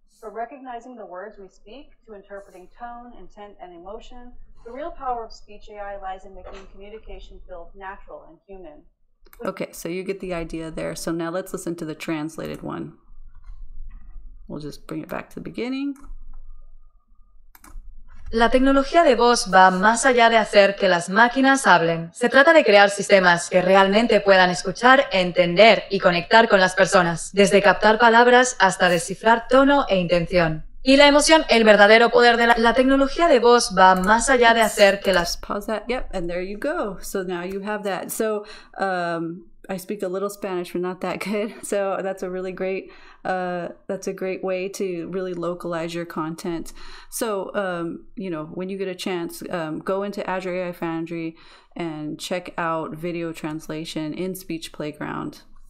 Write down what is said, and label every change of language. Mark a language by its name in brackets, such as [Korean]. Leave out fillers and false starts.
[English] From recognizing the words we speak to interpreting tone, intent, and emotion, the real power of speech AI lies in making communication feel natural and human. Okay, so you get the idea there. So now let's listen to the translated one. We'll just bring it back to the beginning. [Spanish] La tecnología de voz va más allá de hacer que las máquinas hablen. Se trata de crear sistemas que realmente puedan escuchar, entender y conectar con las personas, desde captar palabras hasta descifrar tono e intención. Y la emoción, el verdadero poder de la tecnología de voz va más allá de hacer que las... [English] Pause that. Yep, and there you go. So now you have that. So, I speak a little Spanish, but not that good. So that's a really great, that's a great way to really localize your content. So, you know, when you get a chance, go into Azure AI Foundry and check out video translation in Speech Playground.